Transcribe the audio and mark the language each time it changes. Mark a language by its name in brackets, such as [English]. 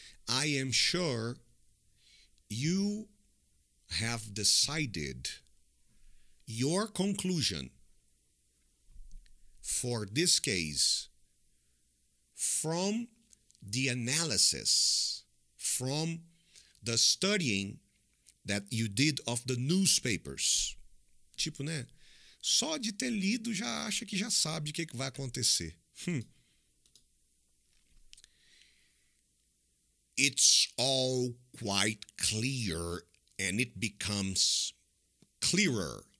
[English] I am sure you have decided your conclusion for this case from the analysis, from the studying that you did of the newspapers. [Portuguese] Tipo, né? Só de ter lido, já acha que já sabe o que, que vai acontecer. [English] It's all quite clear and it becomes clearer.